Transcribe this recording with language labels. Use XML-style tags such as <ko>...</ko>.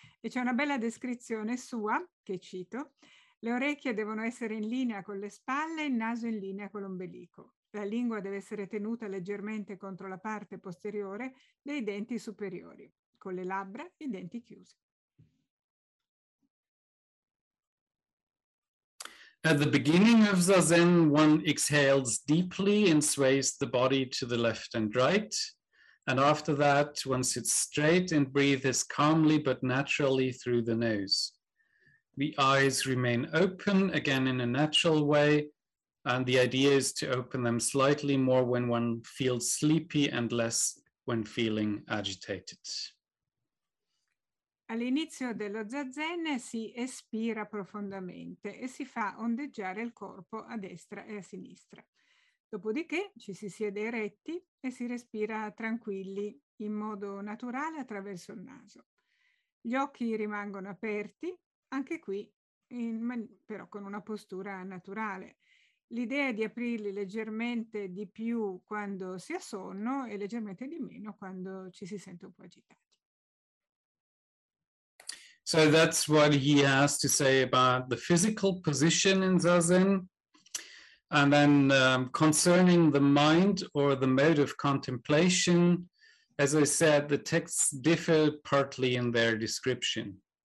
<it>E c'è una bella descrizione sua, che cito: le orecchie devono essere in linea con le spalle e il naso in linea con l'ombelico. La lingua deve essere tenuta leggermente contro la parte posteriore dei denti superiori, con le labbra e i denti chiusi.</it> <en>At the beginning of Zazen, one exhales deeply and sways the body to the left and right. And after that, one sits straight and breathes calmly but naturally through the nose. The eyes remain open, again in a natural way, and the idea is to open them slightly more when one feels sleepy and less when feeling agitated.</en> <it>All'inizio dello Zazen si espira profondamente e si fa ondeggiare il corpo a destra e a sinistra. Dopodiché ci si siede eretti e si respira tranquilli in modo naturale attraverso il naso. Gli occhi rimangono aperti, anche qui però con una postura naturale. L'idea è di aprirli leggermente di più quando si ha sonno e leggermente di meno quando ci si sente un po' agitati.</it> <en>So that's what he has to say about the physical position in Zazen. And then concerning the mind or the mode of contemplation, as I said, the texts differ partly in their description.</en>